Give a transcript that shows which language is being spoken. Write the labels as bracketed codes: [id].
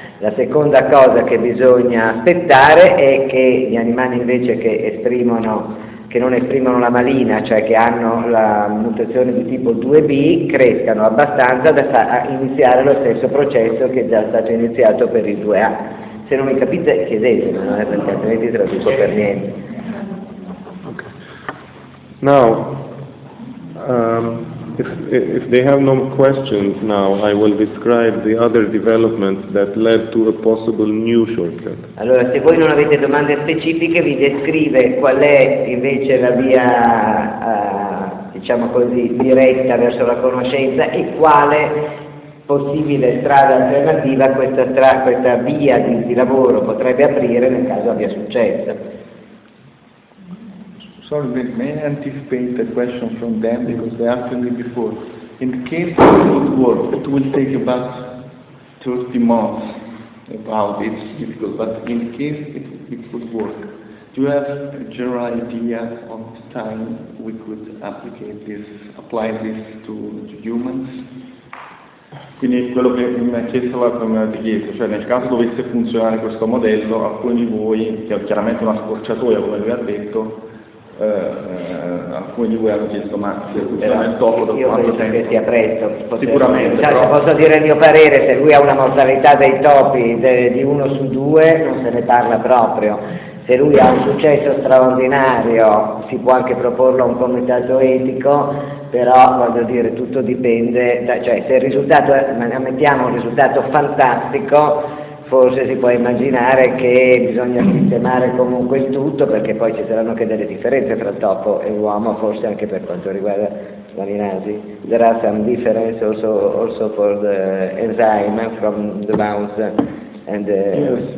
[it] La seconda cosa che bisogna aspettare è che gli animali invece che esprimono, che non esprimono la malina, cioè che hanno la mutazione di tipo 2B, crescano abbastanza da iniziare lo stesso processo che è già stato iniziato per il 2A. Se non mi capite chiedete, non è perché altrimenti traduco per niente. Okay. [en] Now, If they have no questions now, I will describe the other developments that led to a possible new shortcut. [it] Allora, se voi non avete domande specifiche, vi descrive qual è invece la via, diciamo così, diretta verso la conoscenza e quale possibile strada alternativa questa via di lavoro potrebbe aprire nel caso abbia successo. Sorry, they may anticipate the question from them because they asked me before. In case it would work, it will take about 30 months. About, it's difficult, but in case it would work, do you have a general idea of the time we could apply this to humans? Quindi quello che mi ha chiesto la prima chiesta, cioè nel caso dovesse funzionare questo modello, alcuni di voi, che è chiaramente una scorciatoia, come lui ha detto, alcuni di voi hanno chiesto, ma se funziona il topo da quanto Io penso che sia presto. Sicuramente, però, posso dire il mio parere: se lui ha una mortalità dei topi di 1 su 2 non se ne parla proprio. Se lui ha un successo straordinario si può anche proporlo a un comitato etico, però voglio dire, tutto dipende da, cioè se il risultato mettiamo un risultato fantastico, forse si può immaginare che bisogna sistemare comunque il tutto, perché poi ci saranno anche delle differenze tra topo e uomo, forse anche per quanto riguarda la linasi. [en] There are some differences also for the enzyme from the mouse and the,